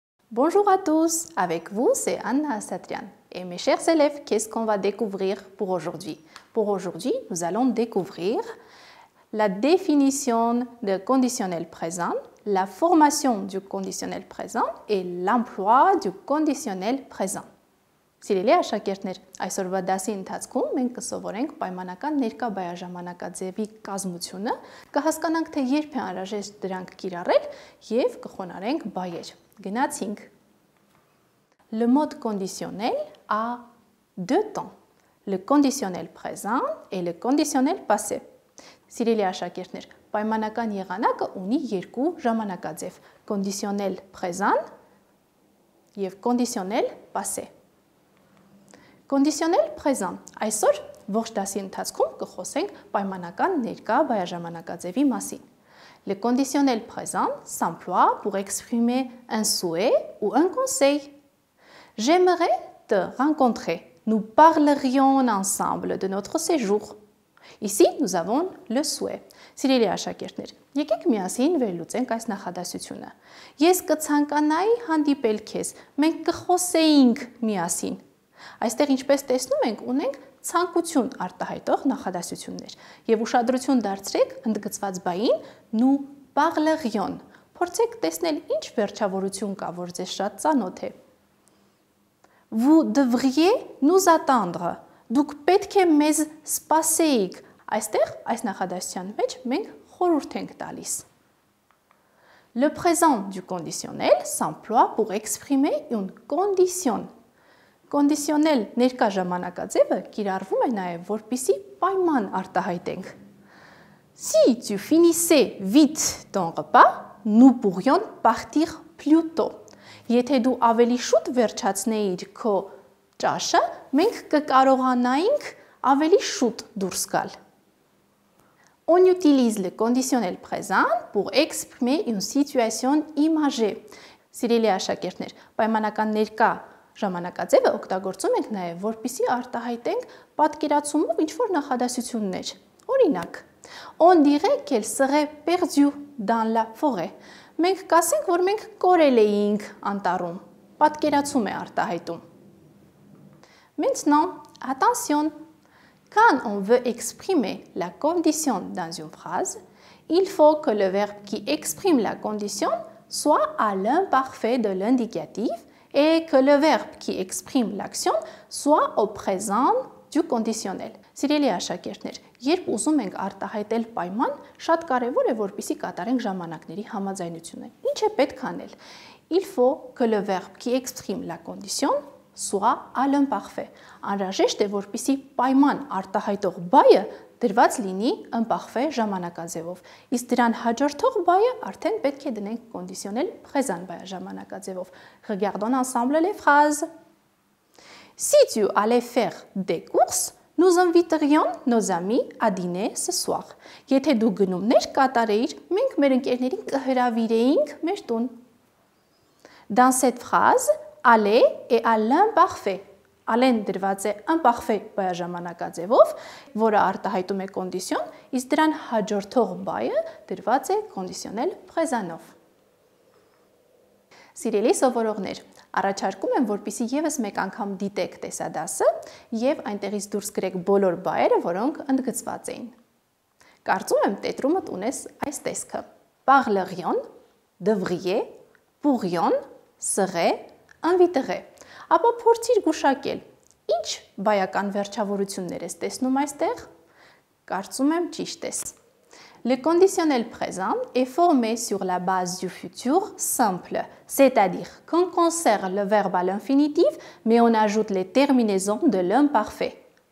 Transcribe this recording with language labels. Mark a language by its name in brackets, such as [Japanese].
[French] Bonjour à tous, avec vous c'est Anna Satrian. Et mes chers élèves, qu'est-ce qu'on va découvrir pour aujourd'hui? Pour aujourd'hui, nous allons découvrir la définition du conditionnel présent, la formation du conditionnel présent et l'emploi du conditionnel présent. [Armenian] Սիրելի աշակերտներ, այսօրվա դասի ընթացքում մենք կսովորենք պայմանական ներկաբայաժամանակաձևի կազմությունը, կհասկանանք, թե երբ է անհրաժեշտ դրանք կիրառել և կխոնարենք բայեր։ Գնացինք. [French] Le mode conditionnel a deux temps. Le conditionnel présent et le conditionnel passé. [Armenian] Սիրելի աշակերտներ, պայմանական եղանակը ունի երկու ժամանակաձև. [French] Conditionnel présent [Armenian] և [French] conditionnel passé. Conditionnel présent. [Armenian] Այսօր ողջ դասի ընթացքում կխոսենք պայմանական ներկաբայաժամանակաձևի մասին. [French] Le conditionnel présent s'emploie pour exprimer un souhait ou un conseil. J'aimerais te rencontrer. Nous parlerions ensemble de notre séjour. Ici, nous avons le souhait. [Armenian] Սիրելի աշակերտներ, եկեք միասին վերլուծենք այս նախադասությունը. Ես կցանկանայի հանդիպել քեզ. Մենք կխոսեինք միասին. Այստեղ ինչպես տեսնում ենք, ունենք ցանկություն արտահայտող նախադասություններ։ Եվ ուշադրություն դարձրեք ընդգծված բային [French] «nous parlerions»։ [Armenian] Փորձեք տեսնել ինչ վերջավորություն կա, որ ձեզ շատ ծանոթ է։ [French] «Vous devriez nous attendre»։ [Armenian] Դուք պետք է մեզ սպասեիք։ Այստեղ այս նախադասության մեջ մենք խորհուրդ ենք տալիս։ [French] «Le présent du conditionnel s'emploie pour exprimer une condition». [Armenian] Conditionnel ներկա ժամանակաձևը կիրառվում է նաև որպեսի պայման արտահայտենք. [French] Si tu finissais vite ton repas, nous pourrions partir plus tôt. [Armenian] Եթե դու ավելի շուտ վերջացնեիր քո ճաշը, մենք կկարողանայինք ավելի շուտ դուրս գալ. [French] On utilise le conditionnel présent pour exprimer une situation imagée. [Armenian] Սիրելի աշակերտներ, պայմանական ներկա ժամանակաձևը օգտագործում ենք նաև, որպեսզի արտահայտենք պատկերացումով ինչ-որ նախադասություններ։ Օրինակ. [French] On dirait qu'elle serait perdue dans la forêt. [Armenian] Մենք կասենք, որ մենք կորել էինք անտառում։ Պատկերացում է արտահայտում։ [French] Maintenant, attention. Quand on veut exprimer la condition dans une phrase, il faut que le verbe qui exprime la condition soit à l'imparfait de l'indicatif. Et que le verbe qui exprime l'action soit au présent du conditionnel. [Armenian] Սիրելի աշակերտներ, երբ ուզում ենք արտահայտել պայման, շատ կարևոր է, որպեսզի կատարենք ժամանակների համաձայնությունը։ Ինչ է պետք անել? [French] Il faut que le verbe qui exprime la condition soit à l'imparfait. [Armenian] Անհրաժեշտ է, որպեսզի պայման արտահայտող բայը դրված լինի imparfait ժամանակաձևով։ Իսկ դրան հաջորդող բայը արդեն պետք է դնենք conditionnel présent բայաժամանակաձևով։ [French] Regardons ensemble les phrases. Si tu allais faire des courses, nous inviterions nos amis à dîner ce soir. [Armenian] Եթե դու գնումներ կատարեիր, մենք մեր ընկերներին կհրավիրեինք մեր տուն։ [French] Dans cette phrase, aller est à l'imparfait. [Armenian] Ալեն դրված է imparfait բայաժամանակաձևով, որը արտահայտում է կոնդիցիոն, իսկ դրան հաջորդող բայը դրված է conditionnel présentով։ Սիրելի սովորողներ, առաջարկում եմ, որպեսզի ևս մեկ անգամ դիտեք տեսադասը և այնտեղից դուրս գրեք բոլոր բայերը, որոնք ընդգծված էին։ Կարծում եմ, տետրումդ ունես այս տեսքը. [French] Parlerion, devriez, pourrion, serait, inviterait. [Armenian] Ապա փորձիր գուշակել, ի՞նչ բայական վերջավորություններ ես տեսնում այստեղ, կարծում եմ ճիշտ ես։ [French] Le conditionnel présent est formé sur la base du futur simple, c'est-à-dire qu'on conserve le verbe à l'infinitif, mais on ajoute les terminaisons de l'imparfait.